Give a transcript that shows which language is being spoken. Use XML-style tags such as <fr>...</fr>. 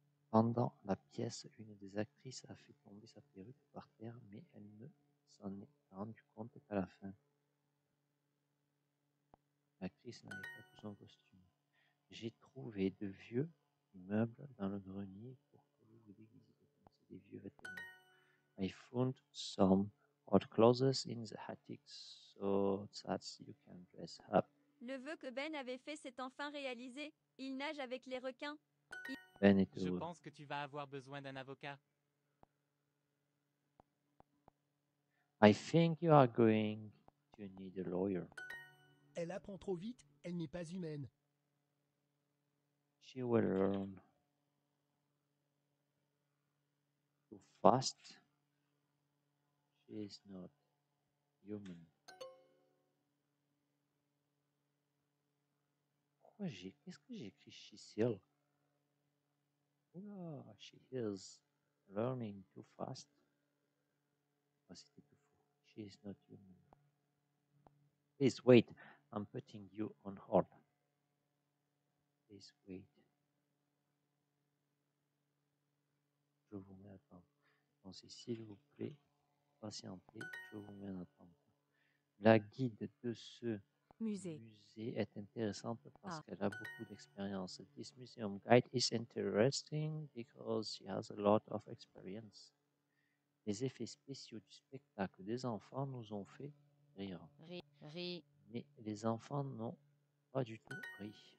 <fr>Pendant la pièce, une des actrices a fait tomber sa perruque par terre, mais elle ne s'en est rendue compte qu'à la fin. L'actrice n'avait pas tout son costume. J'ai trouvé de vieux meubles dans le grenier pour que vous vous déguisiez. C'est des vieux vêtements.</fr> <en>I found some old clothes in the attic so that you can dress up.</en> <fr>Le vœu que Ben avait fait s'est enfin réalisé. Il nage avec les requins. Ben est heureux. Je pense que tu vas avoir besoin d'un avocat.</fr> <en>I think you are going to need a lawyer.</en> <fr>Elle apprend trop vite, elle n'est pas humaine.</fr> <en>She will learn too fast. She is not human.</en> <fr>Pourquoi j'ai... Qu'est-ce que j'écris chez Cyril?</fr> <en>Oh, she is learning too fast.</en> <fr>Oh, c'était tout fou.</fr> <en>She is not human. Please wait. I'm putting you on hold. Please wait.</en> <fr>Je vous mets à attendre. Donc, s'il vous plaît, patientez, je vous mets à attendre. La guide de ce musée est intéressante parce qu'elle a beaucoup d'expérience.</fr> <en>This museum guide is interesting because she has a lot of experience.</en> <fr>Les effets spéciaux du spectacle des enfants nous ont fait rire. Mais les enfants n'ont pas du tout ri.</fr>